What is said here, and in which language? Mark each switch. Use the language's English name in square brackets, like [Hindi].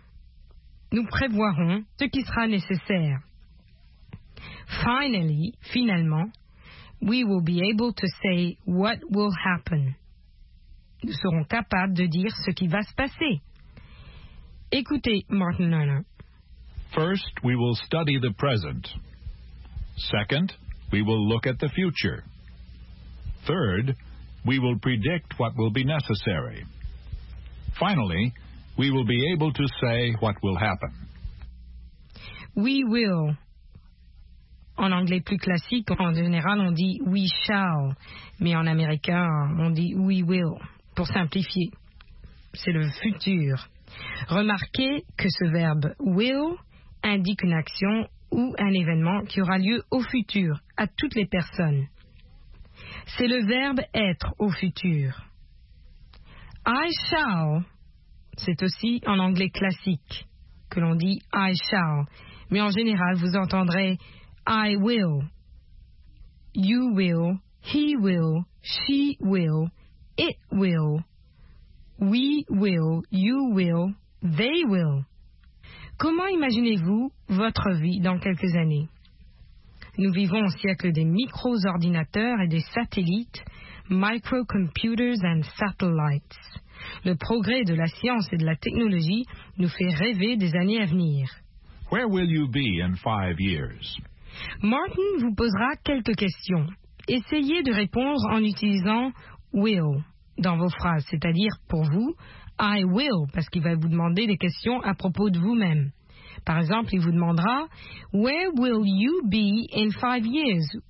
[French] « nous prévoirons ce qui sera nécessaire. » [English] Finally, [French] finalement, « [English] we will be able to say what will happen. [French] » Nous serons capables de dire ce qui va se passer. Écoutez, Martin Luther. [English] First, we will study the present. Second, we will look at the future. Third, we will predict what will be necessary. Finally, we will be able to say what will happen. We will. [French] En anglais plus classique, en général, on dit [English] we shall. [French] Mais en américain, on dit [English] we will. [French] Pour simplifier, c'est le futur. Remarquez que ce verbe « will » indique une action ou un événement qui aura lieu au futur, à toutes les personnes. C'est le verbe « être » au futur. « I shall » c'est aussi en anglais classique que l'on dit « I shall » mais en général vous entendrez « I will »,« you will »,« he will », »,« she will », [English] It will, we will, you will, they will. [French] Comment imaginez-vous votre vie dans quelques années? Nous vivons au siècle des micro-ordinateurs et des satellites, [English] microcomputers and satellites. [French] Le progrès de la science et de la technologie nous fait rêver des années à venir. [English] Where will you be in 5 years? [French] Martin vous posera quelques questions. Essayez de répondre en utilisant will. Dans vos phrases, c'est-à-dire pour vous, [English] I will, [French] parce qu'il va vous demander des questions à propos de vous-même. Par exemple, il vous demandera, [English] Where will you be in 5 years?